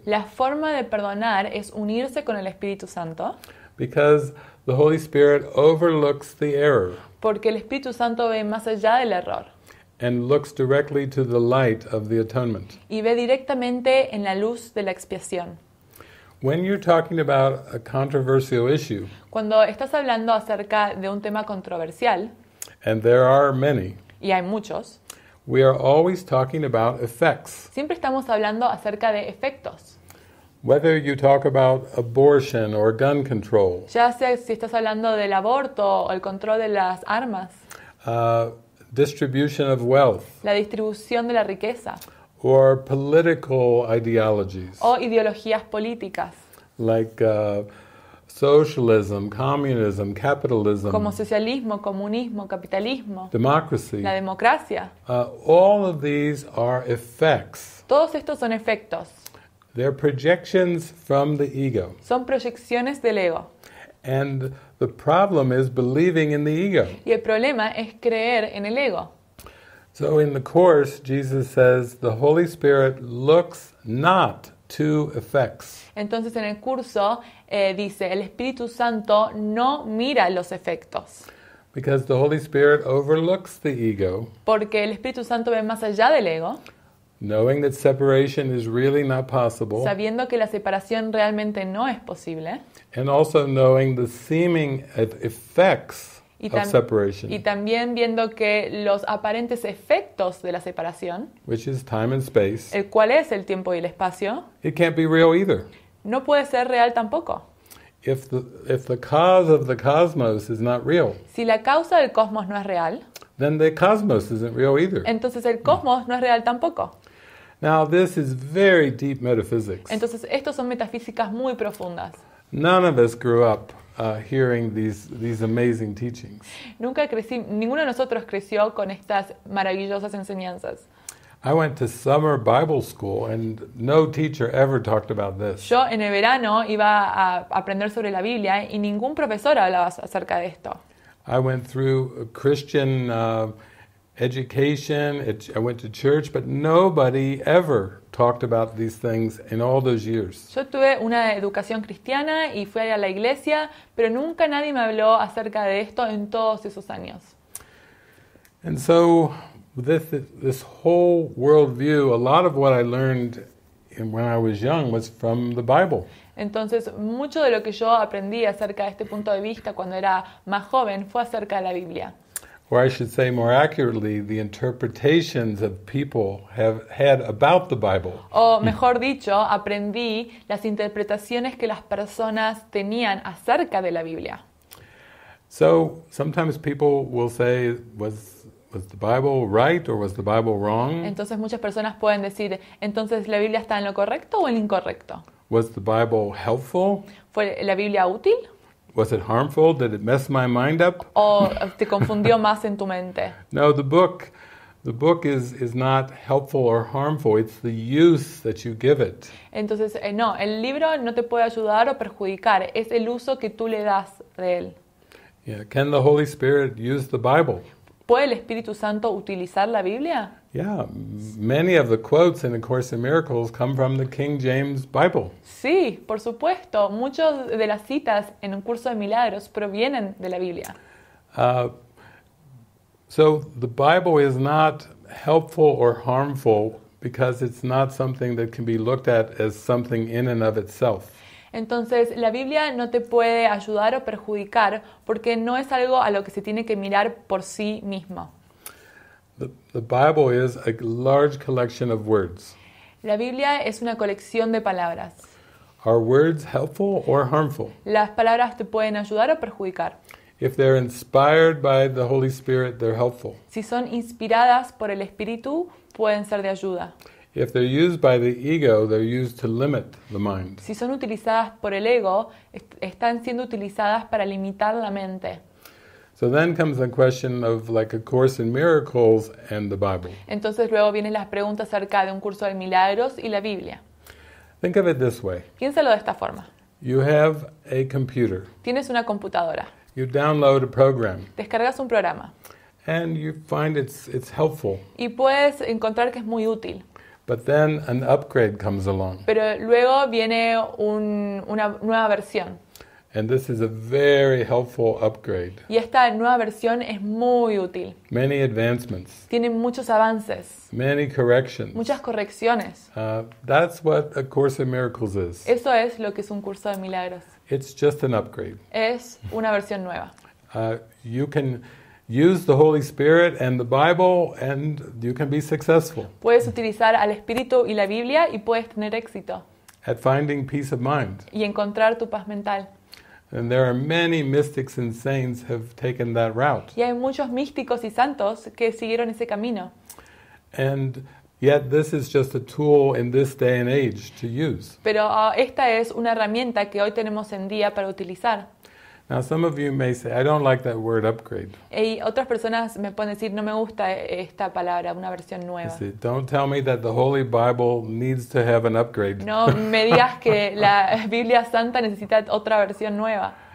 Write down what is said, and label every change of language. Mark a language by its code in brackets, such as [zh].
[es] La forma de perdonar es unirse con el Espíritu Santo. [en] Because the Holy Spirit overlooks the error. [es] Porque el Espíritu Santo ve más allá del error. [en] And looks directly to the light of the atonement. [es] Y ve directamente en la luz de la expiación. [en] When you're talking about a controversial issue. [es] Cuando estás hablando acerca de un tema controversial. [en] And there are many. [es] Y hay muchos. [en] We are always talking about effects. [es] Siempre estamos hablando acerca de efectos. [en] Whether you talk about abortion or gun control. [es] Ya sea si estás hablando del aborto o el control de las armas. [en] Distribution of wealth. [es] La distribución de la riqueza. [en] Or political ideologies. [es] O ideologías políticas. [en] Like socialism, communism, capitalism. [es] Como socialismo, comunismo, capitalismo. [en] Democracy. [es] La democracia. [en] All of these are effects. [es] Todos estos son efectos. [en] They're projections from the ego. [es] Son proyecciones del ego. [en] And the problem is believing in the ego. [es] Y el problema es creer en el ego. [en] So in the course, Jesus says the Holy Spirit looks not to effects. [es] Entonces en el curso dice el Espíritu Santo no mira los efectos. [en] Because the Holy Spirit overlooks the ego. [es] Porque el Espíritu Santo ve más allá del ego. [en] Knowing that separation is really not possible. [es] Sabiendo que la separación realmente no es posible. [en] And also knowing the seeming effects. [es] Y también viendo que los aparentes efectos de la separación, [en] which is time and space, [es] el cual es el tiempo y el espacio, [en] it can't be real either. [es] No puede ser real tampoco. [en] If the cause of the cosmos is not real, [es] si la causa del cosmos no es real, [en] then the cosmos isn't real either. [es] Entonces el cosmos no es real tampoco. [en] Now this is very deep metaphysics. [es] Entonces estos son metafísicas muy profundas. [en] None of us grew up. Hearing these amazing teachings. [es] Nunca crecí, ninguno de nosotros creció con estas maravillosas enseñanzas. [en] I went to summer Bible school and no teacher ever talked about this. [es] Yo en el verano iba a aprender sobre la Biblia y ningún profesor hablaba acerca de esto. [en] I went through a Christian education. I went to church, but nobody ever talked about these things in all those years. [es] Yo tuve una educación cristiana y fui a la iglesia, pero nunca nadie me habló acerca de esto en todos esos años. [en] And so this whole worldview, a lot of what I learned when I was young was from the Bible. [es] Entonces mucho de lo que yo aprendí acerca de este punto de vista cuando era más joven fue acerca de la Biblia. [en] Or I should say more accurately, the interpretations of people have had about the Bible. [es] O mejor dicho, aprendí las interpretaciones que las personas tenían acerca de la Biblia. [en] So sometimes people will say, was the Bible right or was the Bible wrong? [es] Entonces muchas personas pueden decir, entonces la Biblia está en lo correcto o en lo incorrecto. [en] Was the Bible helpful? [es] ¿Fue la Biblia útil? [en] Was it harmful? Did it mess my mind up? [es] ¿O te confundió más en tu mente? [en] No, the book, The book is not helpful or harmful. It's the use that you give it. [es] Entonces, no, el libro no te puede ayudar o perjudicar. Es el uso que tú le das de él. [en] Yeah. Can the Holy Spirit use the Bible? [es] ¿Puede el Espíritu Santo utilizar la Biblia? [en] Yeah, many of the quotes in A Course in Miracles come from the King James Bible. [es] Sí, por supuesto. Muchas de las citas en Un Curso de Milagros provienen de la Biblia. [en] So the Bible is not helpful or harmful because it's not something that can be looked at as something in and of itself. [es] Entonces, la Biblia no te puede ayudar o perjudicar porque no es algo a lo que se tiene que mirar por sí mismo. [en] The Bible is a large collection of words. [es] La Biblia es una colección de palabras. [en] Are words helpful or harmful? [es] Las palabras te pueden ayudar o perjudicar. [en] If they're inspired by the Holy Spirit, they're helpful. [es] Si son inspiradas por el Espíritu, pueden ser de ayuda. [en] If they're used by the ego, they're used to limit the mind. [es] Si son utilizadas por el ego, están siendo utilizadas para limitar la mente. [en] So then comes the question of like A Course in Miracles and the Bible. [es] Entonces luego vienen las preguntas acerca de Un Curso de Milagros y la Biblia. [en] Think of it this way. [es] Piénsalo de esta forma. [en] You have a computer. [es] Tienes una computadora. [en] You download a program. [es] Descargas un programa. [en] And you find it's helpful. [es] Y puedes encontrar que es muy útil. [en] But then an upgrade comes along. [es] Pero luego viene una nueva versión. [en] And this is a very helpful upgrade. [es] Y esta nueva versión es muy útil. [en] Many advancements. [es] Tiene muchos avances. [en] Many corrections. [es] Muchas correcciones. [en] That's what A Course in Miracles is. [es] Eso es lo que es Un Curso de Milagros. [en] It's just an upgrade. [es] Es una versión nueva. [en] You can use the Holy Spirit and the Bible and you can be successful. [es] Puedes utilizar al Espíritu y la Biblia y puedes tener éxito. [en] At finding peace of mind. [es] Y encontrar tu paz mental. [en] And there are many mystics and saints have taken that route. [es] Y hay muchos místicos y santos que siguieron ese camino. [en] And yet this is just a tool in this day and age to use. [es] Pero esta es una herramienta que hoy tenemos en día para utilizar. [en] Now some of you may say, I don't like that word upgrade. [es] Y otras personas me pueden decir, no me gusta esta palabra, una versión nueva. [en] Say, don't tell me that the Holy Bible needs to have an upgrade. [es] No me digas que la Biblia Santa necesita otra versión nueva.